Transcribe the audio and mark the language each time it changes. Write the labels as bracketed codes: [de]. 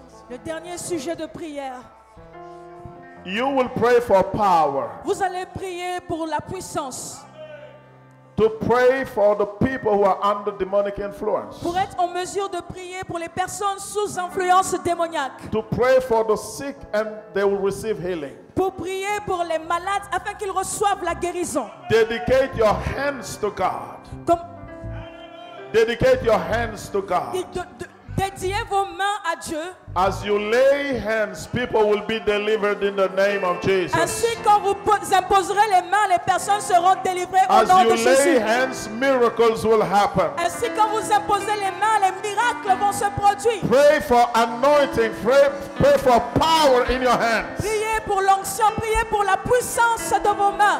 [fr] Le dernier sujet de prière. [en] You will pray for power. [fr] Vous allez prier pour la puissance. [en] To pray for the people who are under demonic influence. [fr] Pour être en mesure de prier pour les personnes sous influence démoniaque. [en] To pray for the sick and they will receive healing. [fr] Pour prier pour les malades afin qu'ils reçoivent la guérison. [en] Dedicate your hands to God. [fr] Comme [en] dedicate your hands to God. [fr] Dédiez vos mains à Dieu. [en] As you lay hands, people will be delivered in the name of Jesus. [fr] Ainsi, quand vous imposerez les mains, les personnes seront délivrées au nom de Jésus. [en] As you lay hands, miracles will happen. [fr] Ainsi, quand vous imposez les mains, les miracles vont se produire. [en] Pray for anointing. Pray for power in your hands. [fr] Priez pour l'onction. Priez pour la puissance de vos mains.